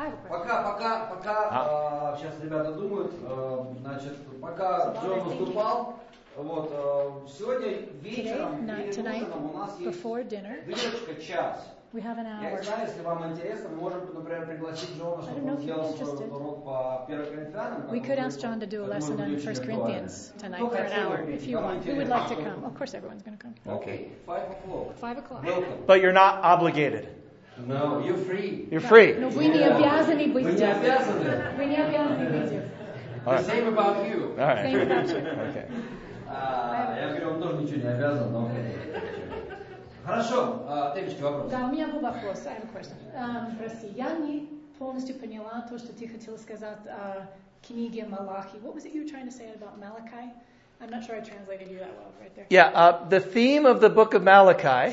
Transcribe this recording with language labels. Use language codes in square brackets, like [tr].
[ru] Пока сейчас ребята думают, значит, пока Джон выступал, вот, сегодня вечером у нас есть выручка час. [en] We have an hour. [ru] Я не знаю, если вам интересно, мы можем, например, пригласить Джона, чтобы он сделал свой урок по 1 Коринфянам. [en] We could ask John to do a lesson on 1 Corinthians tonight for an hour, if you want. Who would like to come? Of course everyone's going to come. Okay, 5 o'clock. Welcome. But you're not obligated. No, you're free. You're free. No, we need [ru] обязаны быть. [en] We need [ru] обязаны. [en] We need [ru] обязаны быть. [en] The same about you. All right. Same about you. Okay. [ru] Я говорю, он тоже ничего не обязан, но... Хорошо. Девочки, вопрос. Да, у меня был вопрос. [en] I have a question. [ru] Прости, я не полностью поняла то, что ты хотела сказать о книге Малахи. [en] What was it you were trying to say about Malachi? I'm not sure I translated you that well right there. Yeah, the theme of the book of Malachi...